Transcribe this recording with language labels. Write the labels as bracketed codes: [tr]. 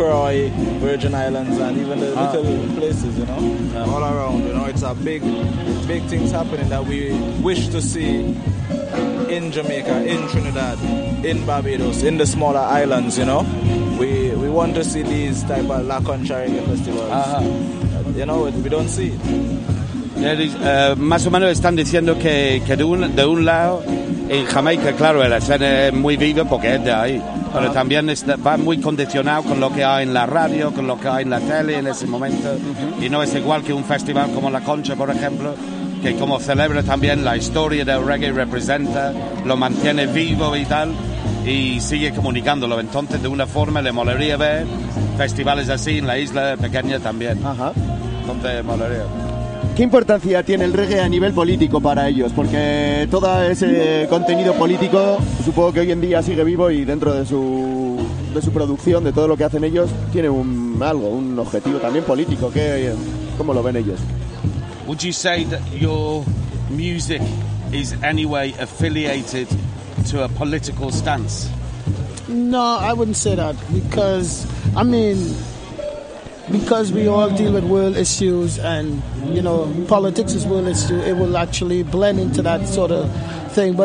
[en] Croix, Virgin Islands, and even the little places, all around, it's a big things happening that we wish to see in Jamaica, in Trinidad, in Barbados, in the smaller islands, We want to see these type of La Concha reggae festivals. We don't see it. [es] Más o menos están diciendo que de un lado, en Jamaica, claro, la escena es muy viva porque es de ahí, pero también va muy condicionado con lo que hay en la radio, con lo que hay en la tele en ese momento, y no es igual que un festival como La Concha, por ejemplo, que como celebra también la historia del reggae, representa, lo mantiene vivo y tal, y sigue comunicándolo. Entonces, de una forma, le molaría ver festivales así en la isla pequeña también. Entonces, molaría. ¿Qué importancia tiene el reggae a nivel político para ellos? Porque todo ese contenido político, supongo que hoy en día sigue vivo y dentro de su producción, de todo lo que hacen ellos, tiene un objetivo también político. ¿Cómo lo ven ellos? [en] Would you say that your music is anyway affiliated to a political stance? No, I wouldn't say that, because we all deal with world issues and, politics is world issue, it will actually blend into that sort of thing.